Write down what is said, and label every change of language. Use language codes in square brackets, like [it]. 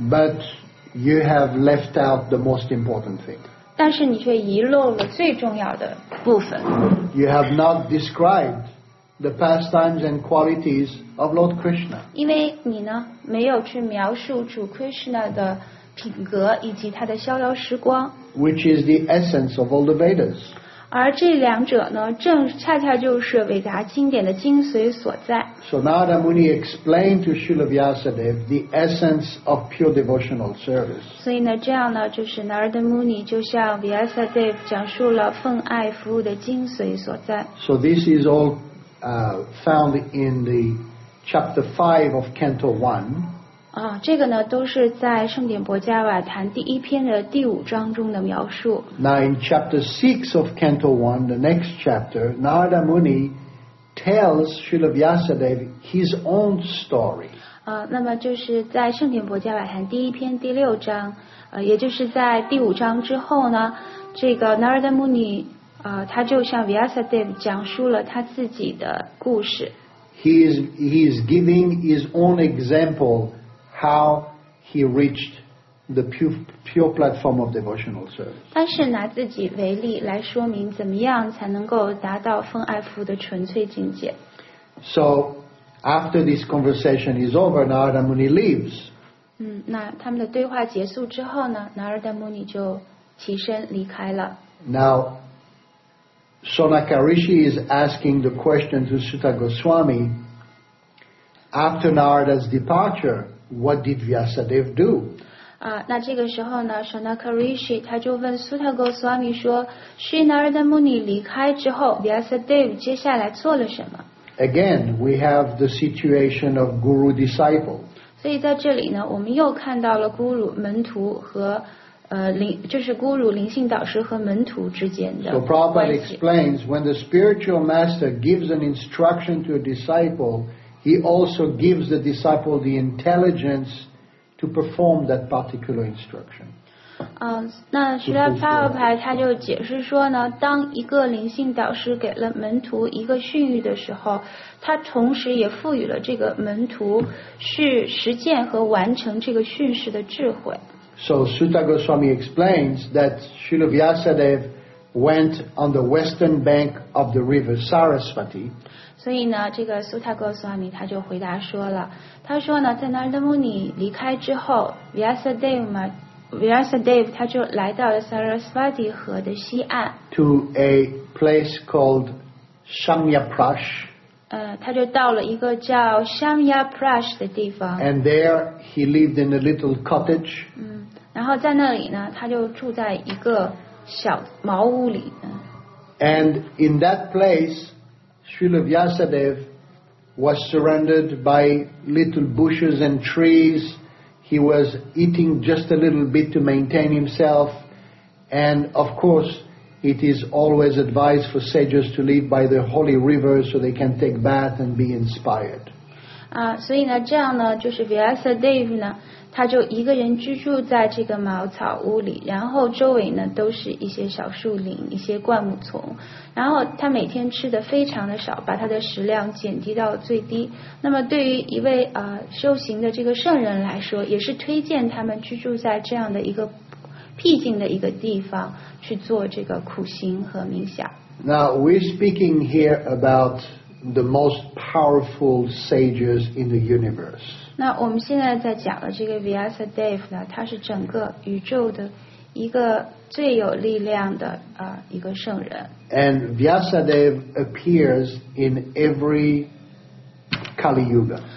[en] But you have left out the most important thing. [zh] 但是你却遗漏了最重要的部分。 [en] You have not described the pastimes and qualities of Lord Krishna. [zh] 因为你呢，没有去描述主 Krishna 的品格以及他的逍遥时光。 [en] Which is the essence of all the Vedas. [zh] 而这两者呢，正恰恰就是伟达经典的精髓所在。 [en] So Narada Muni explained to Srila Vyasadeva the essence of pure devotional service. [zh] 所以呢，这样呢，就是 Narada Muni 就向 Vyasadeva 讲述了奉爱服务的精髓所在。 [en] So this is all found in the chapter 5 of Canto 1. [zh] 这个呢都是在圣典薄伽瓦坛第一篇的第五章中的描述。 [en] Now in chapter 6 of Canto 1, the next chapter, Narada Muni tells Srila Vyasadeva his own story. [zh] 那么就是在圣典薄伽瓦坛第一篇第六章也就是在第五章之后呢，这个 Narada Muni 他就向 Vyasadeva 讲述了他自己的故事。 [en] He is giving his own example. How he reached the pure platform of devotional service. [zh] 他是拿自己为例来说明怎么样才能够达到奉爱服务的纯粹境界。 [en] So after this conversation is over, Narada Muni leaves. [zh] 那他们的对话结束之后呢 ，Narada Muni 就起身离开了。 [en] Now, Sonaka Rishi is asking the question to Sutta Goswami after Narada's departure. What did Vyasadeva do? [zh] 那这个时候呢 ，Sonaka Rishi 他就问 Sutta Goswami 说 ，Sri Narada Muni 离开之后 ，Vyasadeva 接下来做了什么 [en] ？Again, we have the situation of guru disciple. [zh] 所以在这里呢，我们又看到了 guru 门徒和就是 guru 灵性导师和门徒之间的关系。 [en] So Prabhupada explains when the spiritual master gives an instruction to a disciple. He also gives the disciple the intelligence to perform that particular instruction. [zh] 那徐拉帕尔派他就解释说呢，当一个灵性导师给了门徒一个训谕的时候，他同时也赋予了这个门徒去实践和完成这个训示的智慧。 [en] So Sutta Goswami explains that Srila Vyasadeva went on the western bank of the river Saraswati. [zh] 所以呢，这个 Sutta Goswami 他就回答说了，他说呢，在那拉姆尼离开之后 ，Vyasadeva 嘛。 Vyasadeva 他就来到了 Saraswati 河的西岸 [en] ，to a place called Samyaprash。 [zh] 他就到了一个叫 Samyaprash 的地方。 [en] And there he lived in a little cottage。 [zh] 然后在那里呢，他就住在一个小茅屋里。 [en] And in that place, Srila Vyasadeva was surrounded by little bushes and trees. He was eating just a little bit to maintain himself, and of course, it is always advised for sages to live by the holy river so they can take bath and be inspired. [zh] 所以呢，这样呢，就是 Vyasadeva 呢，他就一个人居住在这个茅草屋里，然后周围呢都是一些小树林、一些灌木丛，然后他每天吃的非常的少，把他的食量减低到最低。那么对于一位修行的这个圣人来说，也是推荐他们居住在这样的一个僻静的一个地方去做这个苦行和冥想。 [en] Now we're speaking here about the most powerful sages in the universe. [zh] 那我们现在在讲的这个 Vyasadeva 呢，他是整个宇宙的一个最有力量的一个圣人。 [en] And Vyasadeva appears in every Kali Yuga.